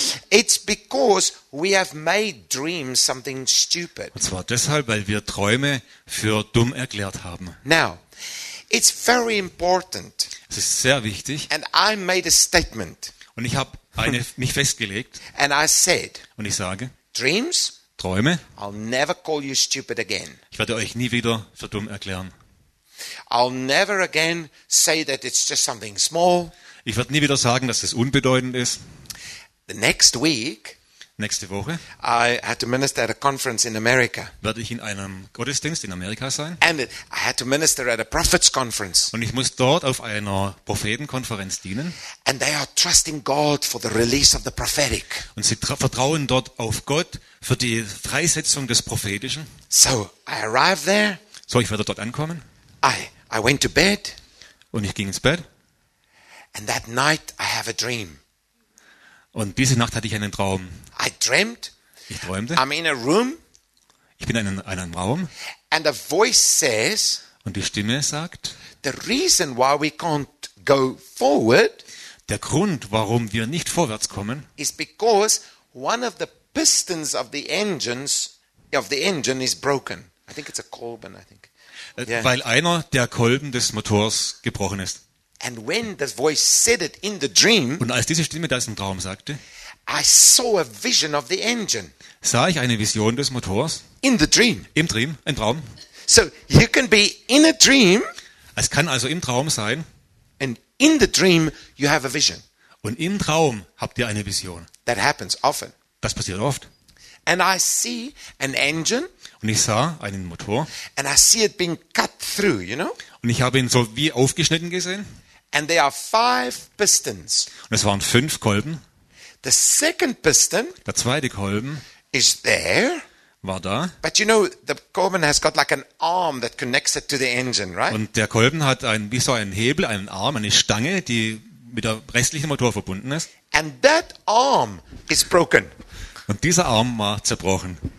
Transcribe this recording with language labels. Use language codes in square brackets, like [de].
[en] It's because we have made dreams something stupid. [de] Und zwar deshalb, weil wir Träume für dumm erklärt haben. [en] Now, it's very important. [de] Es ist sehr wichtig. [en] And I made a statement. [de] Und ich habe mich festgelegt. [en] And I said. [de] Und ich sage. [en] Dreams. [de] Träume. [en] I'll never call you stupid again. [de] Ich werde euch nie wieder für dumm erklären. [en] I'll never again say that it's just something small. [de] Ich werde nie wieder sagen, dass es unbedeutend ist. [en] The next week. [de] Nächste Woche. [en] I had to minister at a conference in America. [de] Werde ich in einem Gottesdienst in Amerika sein? [en] And I had to minister at a prophets conference. [de] Und ich muss dort auf einer Prophetenkonferenz dienen. [en] And they are trusting God for the release of the prophetic. [de] Und sie vertrauen dort auf Gott für die Freisetzung des Prophetischen. [en] So I arrived there. [de] So ich werde dort ankommen. [en] I went to bed. [de] Und ich ging ins Bett. [en] And that night I have a dream. [de] Und diese Nacht hatte ich einen Traum. [en] I dreamt. [de] Ich träumte. [en] I'm in a room. [de] Ich bin in einem Raum. [en] And a voice says. [de] Und die Stimme sagt. [en] The reason why we can't go forward. [de] Der Grund, warum wir nicht vorwärts kommen. [en] Is because one of the pistons of the engines of the engine is broken. I think it's a Kolben, I think. Yeah. [de] Weil einer der Kolben des Motors gebrochen ist. [en] And when the voice said it in the dream, [de] und als diese Stimme das im Traum sagte, [en] I saw a vision of the engine. [de] Sah ich eine Vision des Motors [en] in the dream. [de] Im Traum, im Traum. [en] So you can be in a dream. [de] Es kann also im Traum sein. [en] And in the dream you have a vision. [de] Und im Traum habt ihr eine Vision. [en] That happens often. [de] Das passiert oft. [en] And I see an engine. [de] Und ich sah einen Motor. [en] And I see it being cut through, you know? [de] Und ich habe ihn so wie aufgeschnitten gesehen. [en] And there are five pistons. [de] Und es waren fünf Kolben. [en] The second piston. [de] Der zweite Kolben. [en] Is there. [de] war da. [en] But you know, the Kolben has got like an arm that connects it to the engine, right? [de] Und der Kolben hat ein wie so einen Hebel, einen Arm, eine Stange, die mit der restlichen Motor verbunden ist. [en] And that arm is broken. [de] Und dieser Arm war zerbrochen.